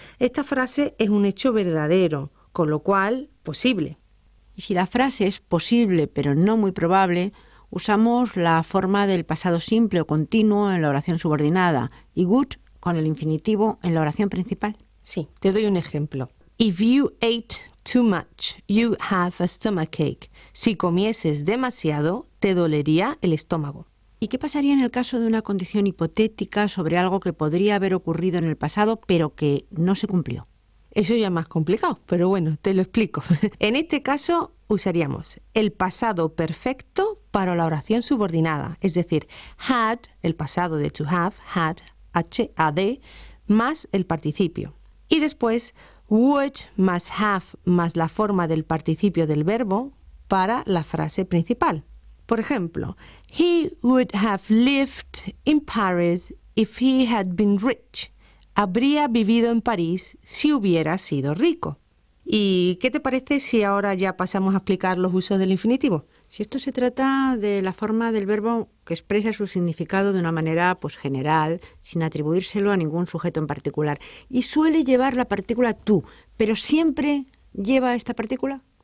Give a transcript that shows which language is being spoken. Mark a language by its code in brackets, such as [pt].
[es] Esta frase es un hecho verdadero, con lo cual, posible. Y si la frase es posible, pero no muy probable, usamos la forma del pasado simple o continuo en la oración subordinada y good con el infinitivo en la oración principal. Sí, te doy un ejemplo. [en] If you ate too much, you have a stomachache. [es] Si comieses demasiado, te dolería el estómago. ¿Y qué pasaría en el caso de una condición hipotética sobre algo que podría haber ocurrido en el pasado pero que no se cumplió? Eso ya es más complicado, pero bueno, te lo explico. En este caso usaríamos el pasado perfecto para la oración subordinada, es decir, had, el pasado de to have, had, H-A-D, más el participio. Y después, would más have más la forma del participio del verbo para la frase principal. Por ejemplo, [en] he would have lived in Paris if he had been rich. [es] Habría vivido en París si hubiera sido rico. ¿Y qué te parece si ahora ya pasamos a explicar los usos del infinitivo? Si esto se trata de la forma del verbo que expresa su significado de una manera pues general, sin atribuírselo a ningún sujeto en particular, y suele llevar la partícula tú, ¿pero siempre lleva esta partícula?